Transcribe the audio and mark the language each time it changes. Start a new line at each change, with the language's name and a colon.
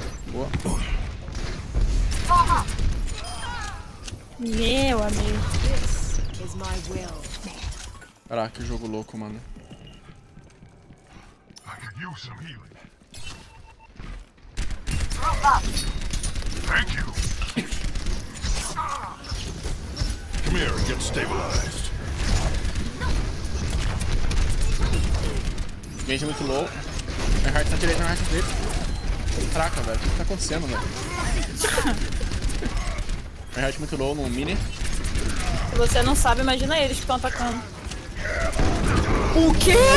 Portuguese: Boa. Meu amigo, caraca, que jogo louco, mano.
English: I could use some healing. Thank you. Come here, get stabilized.
Portuguese: Gente, é muito louco. Meu heart tá direito, meu heart tá direito. Caraca, velho, o que tá acontecendo, velho? Um hatch muito low no mini. Se você não sabe, imagina eles que estão atacando. O quê?